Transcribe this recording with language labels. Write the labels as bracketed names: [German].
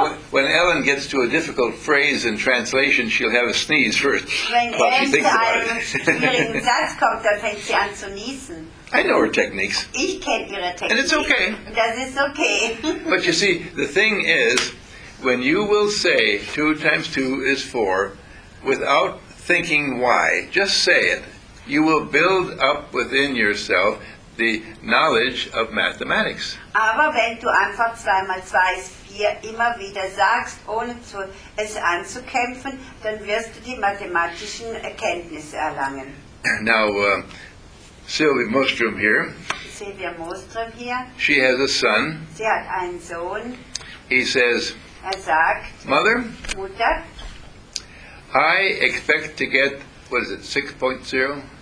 [English] When Ellen gets to a difficult phrase in translation, she'll have a sneeze first. [German] Wenn Ellen zu einem schwierigen Satz kommt, dann fängt sie an zu niesen. [English] I know her techniques. [German] Ich kenne ihre Techniken. [English] And it's okay. [German] Das ist okay. [English] But you see, the thing is, when you will say 2 times 2 is 4, without thinking why, just say it, you will build up within yourself the knowledge of mathematics. [German] Aber wenn du einfach 2 mal 2 ist 4 immer wieder sagst, ohne es anzukämpfen, dann wirst du die mathematischen Erkenntnisse erlangen. [English] Now, Sylvia Mostrom here. Sylvia Mostrom here. She has a son. [German] Sie hat einen Sohn. [English] He says, [German] sagt, [English] Mother, [German] Mutter, [English] I expect to get, what is it, 6.0?